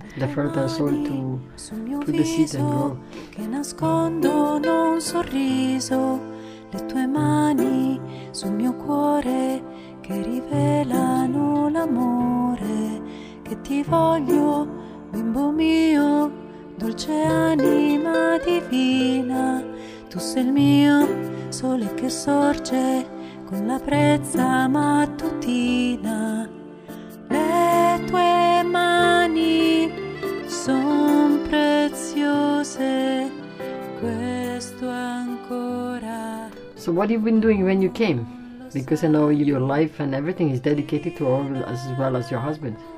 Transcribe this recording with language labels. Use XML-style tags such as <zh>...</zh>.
<en>The fertile soil to put the seeds and grow.</en> <it>Che nascondono un sorriso, le tue mani sul mio cuore. Che rivelano l'amore che ti voglio, bimbo mio, dolce anima divina. Tu sei il mio sole che sorge con la prezza mattutina. Le tue mani son preziose, questo ancora.</it> <en>So what have you been doing when you came? Because I know your life and everything is dedicated to all, as well as your husband.</en>